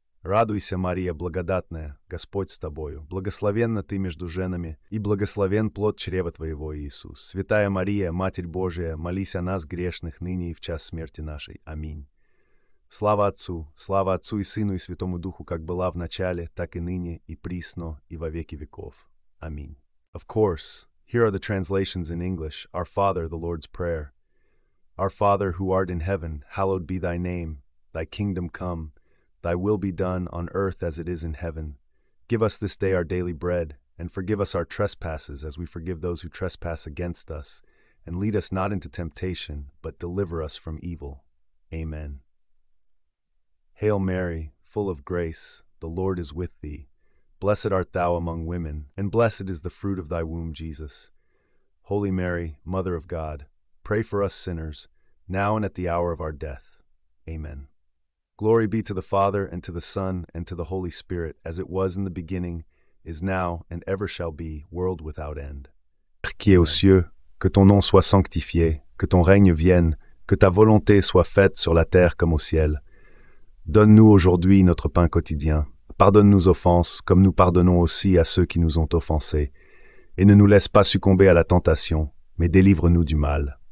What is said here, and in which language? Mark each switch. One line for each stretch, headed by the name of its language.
Russian: Радуйся, Мария благодатная, Господь с тобою. Благословенна ты между женами, и благословен плод чрева твоего, Иисус. Святая Мария, Матерь Божия, молись о нас, грешных, ныне и в час смерти нашей. Аминь. Слава Отцу и Сыну и Святому Духу, как была в начале, так и ныне, и присно, и во веки веков. Аминь.
English: Of course, here are the translations in English, Our Father, the Lord's Prayer. Our Father, who art in heaven, hallowed be thy name, thy kingdom come, thy will be done on earth as it is in heaven. Give us this day our daily bread, and forgive us our trespasses as we forgive those who trespass against us. And lead us not into temptation, but deliver us from evil. Amen. Hail Mary, full of grace, the Lord is with thee. Blessed art thou among women, and blessed is the fruit of thy womb, Jesus. Holy Mary, Mother of God, pray for us sinners, now and at the hour of our death. Amen. Glory be to the Father, and to the Son, and to the Holy Spirit, as it was in the beginning, is now, and ever shall be, world without end.
French: Père qui es aux cieux, que ton nom soit sanctifié, que ton règne vienne, que ta volonté soit faite sur la terre comme au ciel. Donne-nous aujourd'hui notre pain quotidien. Pardonne nos offenses, comme nous pardonnons aussi à ceux qui nous ont offensés. Et ne nous laisse pas succomber à la tentation, mais délivre-nous du mal.